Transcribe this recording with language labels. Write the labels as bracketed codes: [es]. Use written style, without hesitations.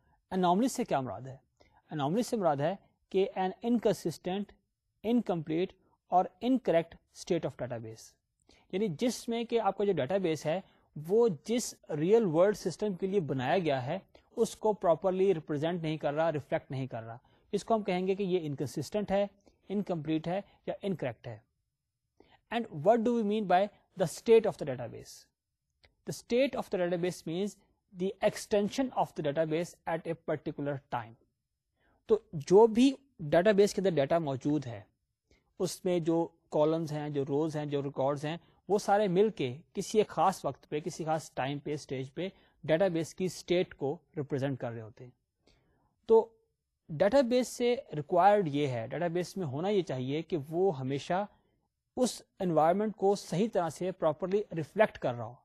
[ur] Anomaly سے کیا مراد ہے؟ اناملی سے مراد ہے کہ این انکنسسٹنٹ, انکمپلیٹ اور incorrect state of data base, یعنی جس میں کہ آپ کا جو ڈیٹا بیس ہے وہ جس ریئل ورلڈ سسٹم کے لیے بنایا گیا ہے اس کو پراپرلی ریپرزینٹ نہیں کر رہا, ریفلیکٹ نہیں کر رہا. اس کو ہم کہیں گے کہ یہ انکنسسٹنٹ ہے, انکمپلیٹ ہے یا انکریکٹ ہے. [en] And what do we mean by the state of the database? The state of the database means the extension of the database at a particular time. [ur] تو جو بھی data base کے اندر data موجود ہے, اس میں جو columns ہیں, جو روز ہیں, جو ریکارڈز ہیں, وہ سارے مل کے کسی ایک خاص وقت پہ, کسی خاص ٹائم پہ, سٹیج پہ ڈیٹا بیس کی سٹیٹ کو ریپرزینٹ کر رہے ہوتے ہیں. تو ڈیٹا بیس سے ریکوائرڈ یہ ہے, ڈیٹا بیس میں ہونا یہ چاہیے کہ وہ ہمیشہ اس انوائرمنٹ کو صحیح طرح سے پراپرلی ریفلیکٹ کر رہا ہو.